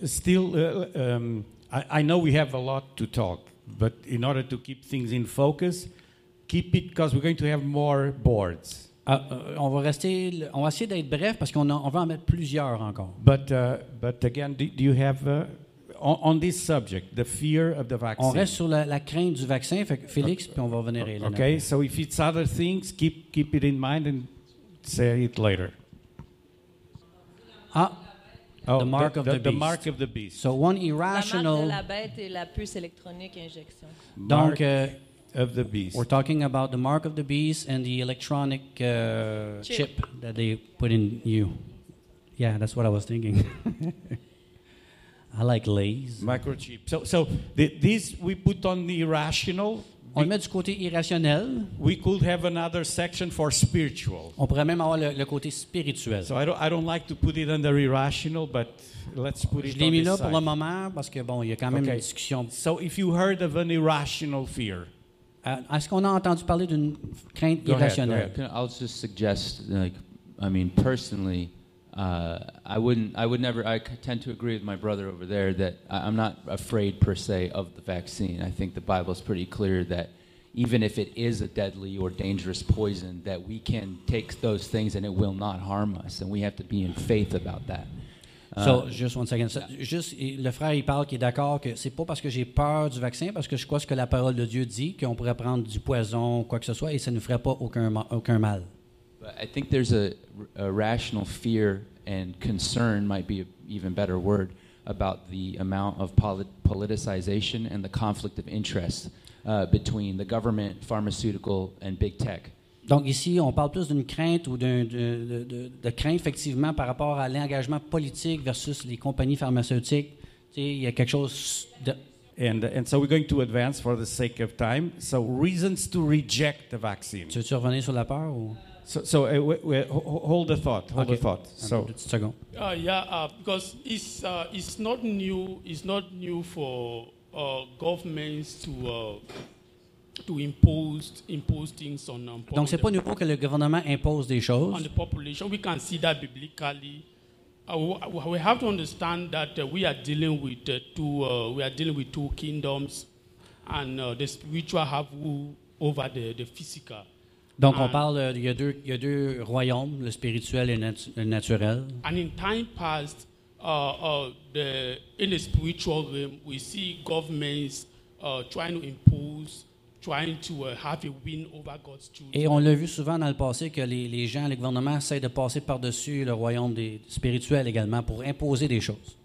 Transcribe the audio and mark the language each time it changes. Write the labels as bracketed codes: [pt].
[en] Still, I know we have a lot to talk, but in order to keep things in focus, keep it because we're going to have more boards. On va essayer d'être bref parce qu'on va en mettre plusieurs encore. But again, do you have on this subject, the fear of the vaccine? [fr] On reste sur la crainte du vaccin, fait, Félix, puis on va revenir à Elena. [en] Okay, so if it's other things, keep it in mind and say it later. The mark of the beast. So one irrational. [fr] La marque de la bête et la puce électronique injection. Donc. [en] Of the beast. We're talking about the mark of the beast and the electronic chip that they put in you. Yeah, that's what I was thinking. I like Lays. Microchip. So this we put on the irrational. [fr] On met du côté irrationnel. [en] We could have another section for spiritual. [fr] On pourrait même avoir le côté spirituel. [en] So I don't like to put it under irrational, but let's put it on this [fr] Je l'ai mis là pour le moment parce que bon, il y a quand même une discussion. [en] So if you heard of an irrational fear. [fr] Est-ce qu'on a entendu parler d'une crainte irrationnelle? [en] I'll just suggest, personally, I tend to agree with my brother over there that I'm not afraid per se of the vaccine. I think the Bible is pretty clear that even if it is a deadly or dangerous poison, that we can take those things and it will not harm us, and we have to be in faith about that. So, just one second. [fr] Le frère, il parle qu'il est d'accord que c'est pas parce que j'ai peur du vaccin, parce que je crois ce que la parole de Dieu dit, qu'on pourrait prendre du poison, quoi que ce soit, et ça ne nous ferait pas aucun mal. [en] But I think there's a rational fear and concern, might be an even better word, about the amount of politicization and the conflict of interest between the government, pharmaceutical, and big tech. [fr] Donc ici, on parle plus d'une crainte ou de crainte effectivement par rapport à l'engagement politique versus les compagnies pharmaceutiques. Tu sais, il y a quelque chose de... [en] And so we're going to advance for the sake of time. So reasons to reject the vaccine. [fr] Tu veux-tu revenir sur la peur ou... [en] Hold the thought. Hold the thought. So. Because it's not new. It's not new for governments to impose things on. [fr] Donc c'est pas nouveau que le gouvernement impose des choses. [en] On the population, we can see that biblically. We have to understand that we are dealing with two kingdoms, and the spiritual have rule over the physical. [fr] Donc on parle, il y a deux royaumes, le spirituel et le naturel. [en] And in time past, in the spiritual realm, we see governments trying to have a win over God's children. [fr] Et on l'a vu souvent dans le passé que les gens, les gouvernements essaient de passer par-dessus le royaume des spirituels également pour imposer des choses.